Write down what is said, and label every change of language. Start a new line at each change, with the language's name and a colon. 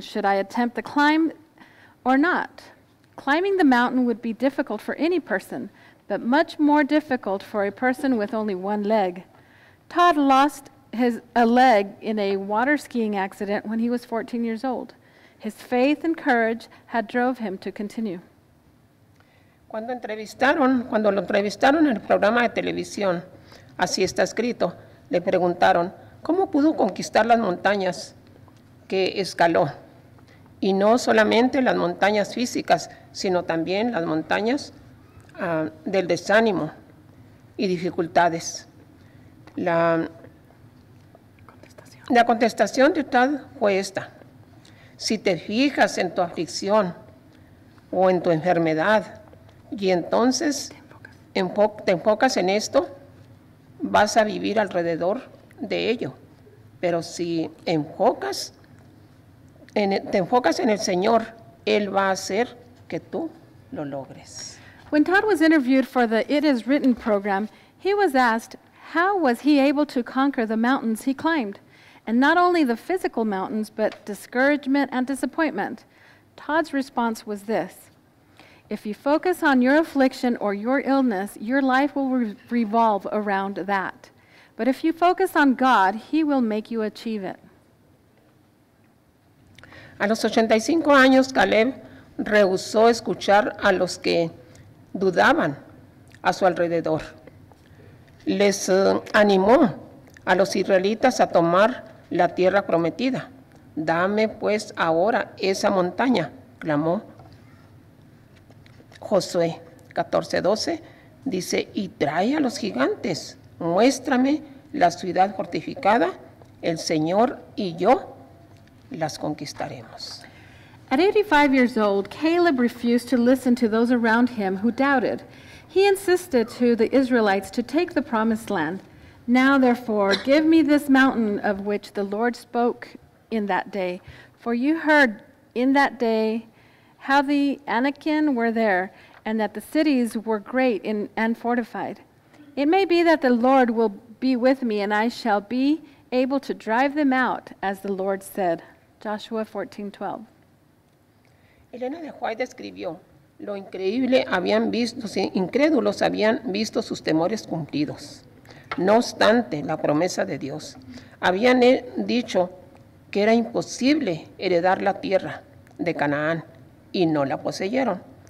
English: Should I attempt the climb or not? Climbing the mountain would be difficult for any person, but much more difficult for a person with only one leg. Todd lost a leg in a water skiing accident when he was 14 years old. His faith and courage had drove him to continue.
Spanish: Cuando lo entrevistaron en el programa de televisión, así está escrito, le preguntaron, ¿cómo pudo conquistar las montañas que escaló? Y no solamente las montañas físicas, sino también las montañas del desánimo y dificultades. La contestación de Todd fue esta. Si te fijas en tu aflicción o en tu enfermedad y entonces te enfocas en esto, vas a vivir alrededor de ello. Pero si te enfocas en el Señor, Él va a hacer que tú lo logres.
English: When Todd was interviewed for the It Is Written program, he was asked, how was he able to conquer the mountains he climbed? And not only the physical mountains, but discouragement and disappointment. Todd's response was this. If you focus on your affliction or your illness, your life will revolve around that. But if you focus on God, He will make you achieve it.
Spanish: A los 85 años, Caleb rehusó escuchar a los que dudaban a su alrededor. Les animó a los israelitas a tomar la tierra prometida. Dame pues ahora esa montaña, clamó Josué 14:12, dice, y trae a los gigantes, muéstrame la ciudad fortificada, el Señor y yo las conquistaremos.
English: At 85 years old, Caleb refused to listen to those around him who doubted. He insisted to the Israelites to take the promised land. Now, therefore, give me this mountain of which the Lord spoke in that day. For you heard in that day how the Anakin were there and that the cities were great and fortified. It may be that the Lord will be with me and I shall be able to drive them out, as the Lord said. Joshua 14:12.
Spanish: Elena de Juárez describió lo increíble habían visto, si incrédulos habían visto sus temores cumplidos. No obstante, la promesa de Dios. Habían dicho que era imposible heredar la tierra de Canaán y no la poseyeron.